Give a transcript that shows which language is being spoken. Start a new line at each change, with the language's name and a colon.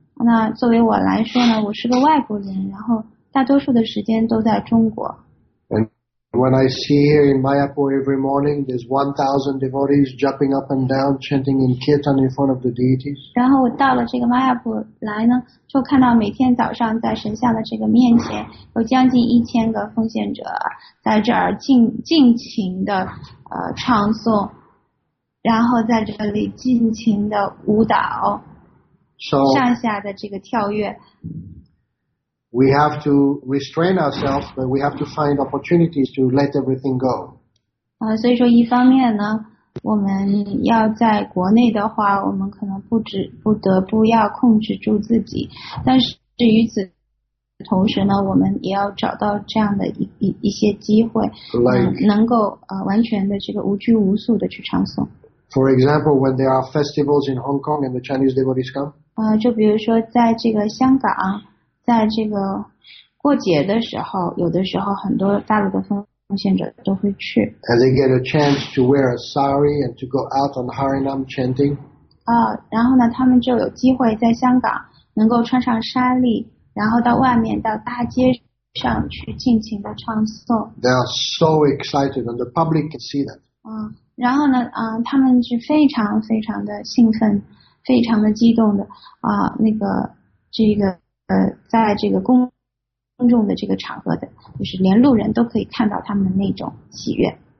Chinese: 那作为我来说呢我是个外国人然后大多数的时间都在中国。
English: And When I see here in Mayapur every morning, there's 1,000 devotees jumping up and down, chanting in kirtan in front of the deities.
Chinese: 然后我到了这个 Mayapur 来呢，就看到每天早上在神像的这个面前，有将近1000个奉献者在这儿尽情的唱诵，然后在这里尽情的舞蹈，
English: so,
Chinese: 上下的这个跳跃。
English: We have to restrain ourselves, but we have to find opportunities to let everything go.
Chinese: 所以说一方面呢，我们要在国内的话，我们可能不得不要控制住自己。但是与此同时呢，我们也要找到这样的一些机会，
English: like,
Chinese: 能够完全的这个无拘无束的去唱诵。
English: For example, when there are festivals in Hong Kong and the Chinese devotees come.
Chinese: 就比如说在这个香港。在这个过节的时候，有的时候很多大陆的奉献者都会去。
English: And they get a chance to wear a sari and to go out on Harinam chanting.
Chinese: 然后呢，他们就有机会在香港能够穿上纱丽，然后到外面到大街上去尽情的唱诵。
English: They are so excited, and the public can see that.
Chinese: 然后呢，他们是非常非常的兴奋，非常的激动的啊，那个这个。在这个公众的这个场合的，就是连路人都可以看到他们的那种喜悦。